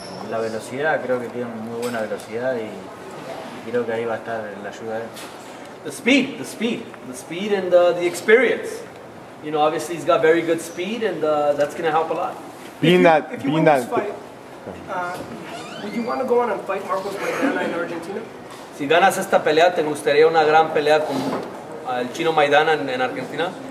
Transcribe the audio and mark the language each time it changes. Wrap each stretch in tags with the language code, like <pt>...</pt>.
<es>La velocidad, creo que tiene muy buena velocidad y creo que ahí va a estar la ayuda de él.</es> <en>The speed and the experience. You know, obviously he's got very good speed and that's going to help a lot. Would you want to go on and fight Marcos Maidana in Argentina?</en> <es>Si ganas esta pelea, ¿te gustaría una gran pelea con el chino Maidana en Argentina?</es>